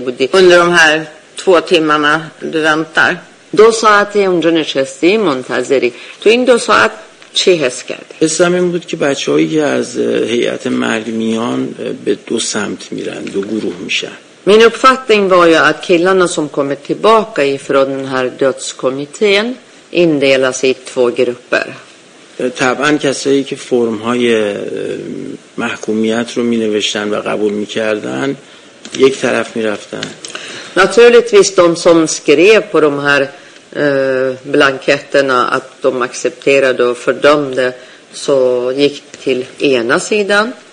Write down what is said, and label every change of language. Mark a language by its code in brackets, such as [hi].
[sv] Under de här 2 timmarna du väntar. [fa] 2 ساعت اونجا نشستی منتظری تو این 2 ساعت چی حس کردی؟ حسم این بود که بچه هایی از هیئت مرگ میان به 2 سمت میرن 2 گروه میشن [sv] Min uppfattning var ju att killarna som kommer tillbaka ifrån den här dödskommittén indelas i 2 grupper [fa] طبعا کسایی که فرم های محکومیت رو می نوشتن و قبول می کردن 1 طرف می رفتن [sv] Naturligtvis de som skrev på de här blanketterna att de accepterade och fördömde så gick till ena sidan.